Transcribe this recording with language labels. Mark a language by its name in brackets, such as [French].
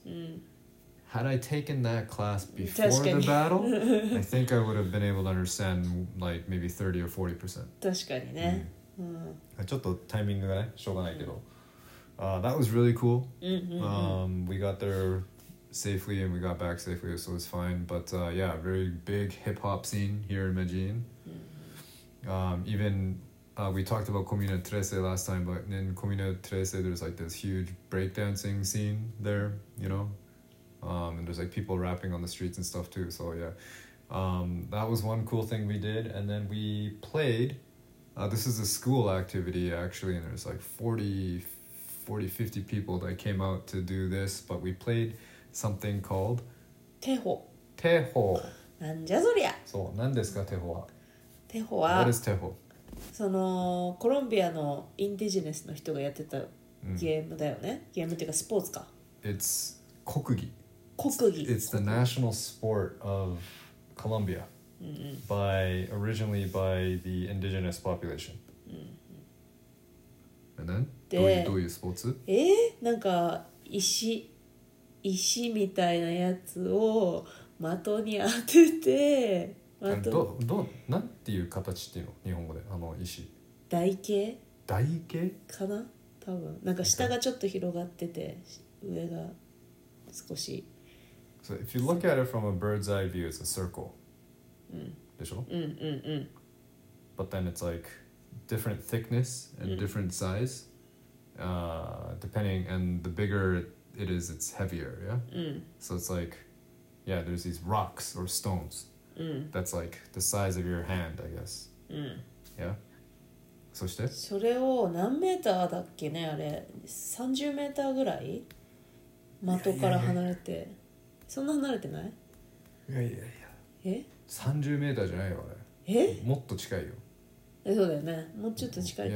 [English] Had I taken that class before the battle, I think I would have been able to understand like maybe 30% or 40%. [Japanese] 確かにね。ちょっとタイミングがね、しょうがないけど。 [English] That was really cool. We got there safely and we got back safely, so it was fine. But yeah, very big hip-hop scene here in Medellin. Evenwe talked about Comuna 13 last time, but in Comuna 13 there's like this huge breakdancing scene there, you know, and there's like people rapping on the streets and stuff too, so yeah. That was one cool thing we did, and then we played, this is a school activity actually, and there's like 40-50 people that came out to do this, but we played something called [Japanese] テホ。なんじゃそりゃ。そう、なんですかテホは。テホは。 [English] What is テホ？ [Japanese] そのコロンビアのインディジネスの人がやってたゲームだよね、ゲームっていうかスポーツか。 [English] It's 国技。 [Japanese] 国技。 [English] It's the national sport of Colombia. Originally by the indigenous population. And then? [Japanese] どういうスポーツ？なんか石みたいなやつを的に当てて。なんていう形っていうの日本語であの石台形台形かな多分なんか下がちょっと広がってて上が少し [English] So if you look at it from a bird's eye view it's a circle、 [Japanese] うん、でしょ、うんうんうん、 [English] But then it's like different thickness and different size、うん、depending and the bigger it is it's heavier yeah、 [Japanese] うん、 [English] So it's like yeah there's these rocks or stonesThat's like the size of your hand, I guess. Yeah. [Japanese] そして？それを何メーターだっけね、あれ、30メーターぐらい？的から離れて、そんな離れてない？いや。え？ 30メーターじゃないよ、あれ。え？もっと近いよ。え、そうだよね。もうちょっと近いか。